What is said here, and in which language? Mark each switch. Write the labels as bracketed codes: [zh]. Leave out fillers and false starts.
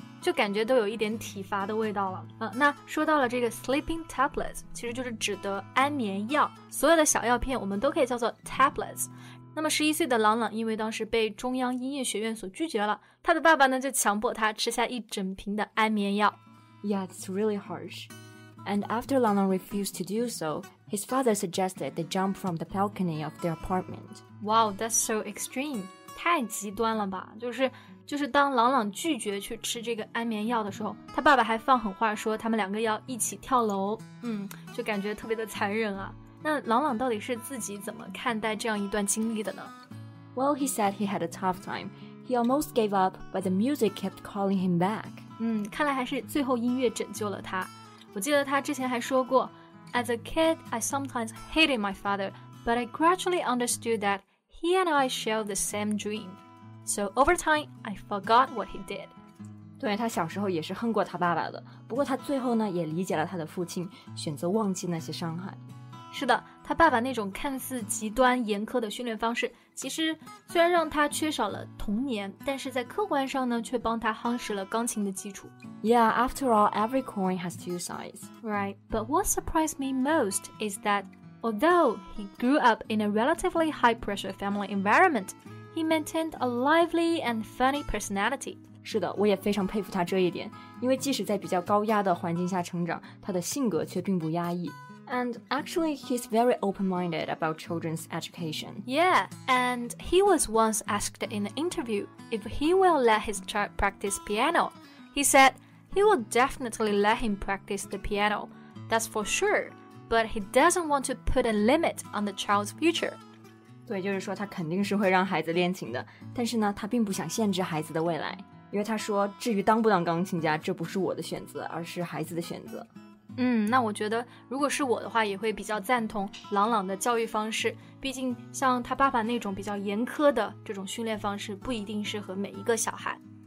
[zh] 就感觉都有一点体罚的味道了、那说到了这个 sleeping tablets 其实就是指的安眠药，所有的小药片我们都可以叫做 tablets。那么11岁的朗朗因为当时被中央音乐学院所拒绝了，他的爸爸呢就强迫他吃下一整瓶的安眠药。 [en] Yeah, it's really harsh. And after朗朗refused to do so, his father suggested they jump from the balcony of their apartment. Wow, that's so extreme. [zh] 太极端了吧，就是当朗朗拒绝去吃这个安眠药的时候，他爸爸还放狠话说他们两个要一起跳楼。就感觉特别的残忍啊。那朗朗到底是自己怎么看待这样一段经历的呢？ [en] Well, he said he had a tough time. He almost gave up, but the music kept calling him back. [zh] 看来还是最后音乐拯救了他。我记得他之前还说过， [en] As a kid, I sometimes hated my father, but I gradually understood that he and I share the same dream. So over time, I forgot what he did. [zh] 对，他小时候也是恨过他爸爸的，不过他最后呢，也理解了他的父亲，选择忘记那些伤害。是的，他爸爸那种看似极端严苛的训练方式，其实虽然让他缺少了童年，但是在客观上呢，却帮他夯实了钢琴的基础。 [en] Yeah, after all, every coin has two sides. Right, but what surprised me most is that although he grew up in a relatively high-pressure family environment,He maintained a lively and funny personality. [zh] 是的，我也非常佩服他这一点，因为即使在比较高压的环境下成长，他的性格却并不压抑。 [en] And actually, he's very open-minded about children's education. Yeah, and he was once asked in an interview if he will let his child practice piano. He said he will definitely let him practice the piano. That's for sure. But he doesn't want to put a limit on the child's future. [zh] 对，就是说他肯定是会让孩子练琴的，但是呢他并不想限制孩子的未来，因为他说至于当不当钢琴家，这不是我的选择，而是孩子的选择。那我觉得如果是我的话，也会比较赞同朗朗的教育方式，毕竟像他爸爸那种比较严苛的这种训练方式不一定适合每一个小孩。